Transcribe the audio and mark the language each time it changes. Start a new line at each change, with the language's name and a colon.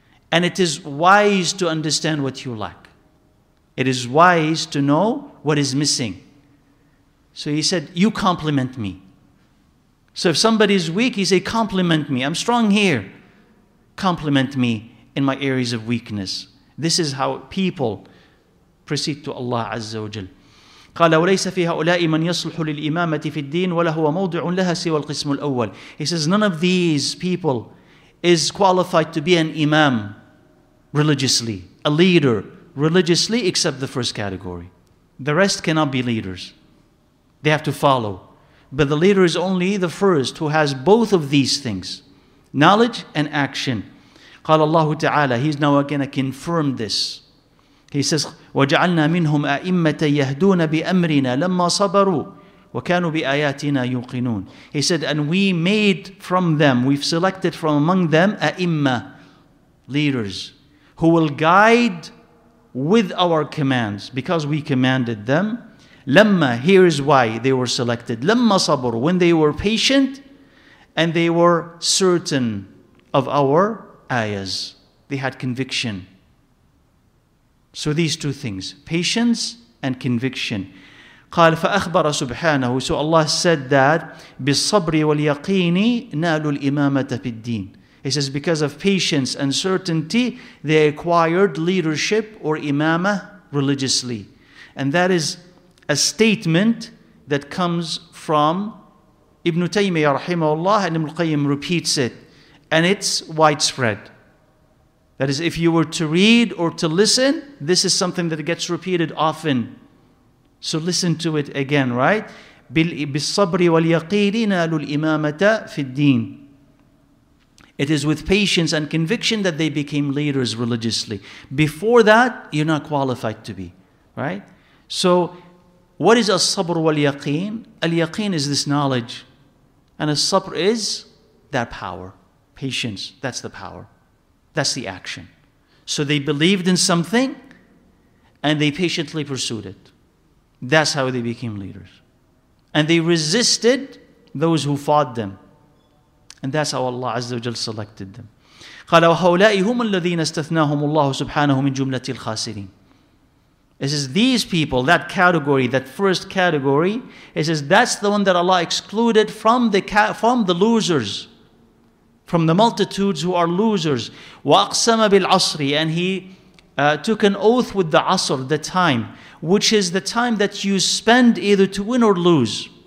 English: And it is wise to understand what you lack. It is wise to know what is missing. So he said, you compliment me. So if somebody is weak, he say, compliment me. I'm strong here. Compliment me in my areas of weakness. This is how people proceed to Allah Azza wa Jal.
Arabic: قال وليس في هؤلاء من يصلح للإمامة في الدين ولا هو موضع لها سوى القسم الأول.
English: He says, none of these people is qualified to be an imam religiously, a leader religiously, except the first category. The rest cannot be leaders. They have to follow. But the leader is only the first who has both of these things, knowledge and action.
Arabic: قال الله تعالى,
English: he's now going to confirm this. He says,
Arabic: وَجَعَلْنَا مِنْهُمْ أَئِمَّةً يَهْدُونَ بِأَمْرِنَا لَمَّا صَبَرُوا وَكَانُوا بِآيَاتِنَا يُوقِنُونَ.
English: He said, and we made from them, we've selected from among them, أَئِمَّةً, leaders, who will guide with our commands, because we commanded them. لَمَّا, here is why they were selected.
Arabic: لَمَّا صَبَرُوا,
English: when they were patient, and they were certain of our ayahs. They had conviction. So these two things, patience and conviction.
Arabic: قال فأخبر سبحانه,
English: so Allah said that
Arabic: بالصبر واليقين نالوا الإمامة في الدين.
English: He says, because of patience and certainty, they acquired leadership or imama religiously. And that is a statement that comes from Ibn Taymiyyah rahimahullah, and Ibn al-Qayyim repeats it. And it's widespread. That is, if you were to read or to listen, this is something that gets repeated often. So listen to it again, right?
Arabic: بالصبر واليقين نالوا الإمامة في الدين.
English: It is with patience and conviction that they became leaders religiously. Before that, you're not qualified to be, right? So what is al-sabr wal-yaqeen? Al-yaqeen is this knowledge. And al-sabr is that power. Patience, that's the power. That's the action. So they believed in something, and they patiently pursued it. That's how they became leaders. And they resisted those who fought them. And that's how Allah Azza wa Jalla selected them.
Arabic: قال وهؤلاء هم الذين استثناهم الله سبحانه من جملة الخاسرين.
English: It says these people, that category, that first category, it says that's the one that Allah excluded from the losers, from the multitudes who are losers.
Arabic: وَأَقْسَمَ بِالْعَصْرِ,
English: and he took an oath with the asr, the time, which is the time that you spend either to win or lose.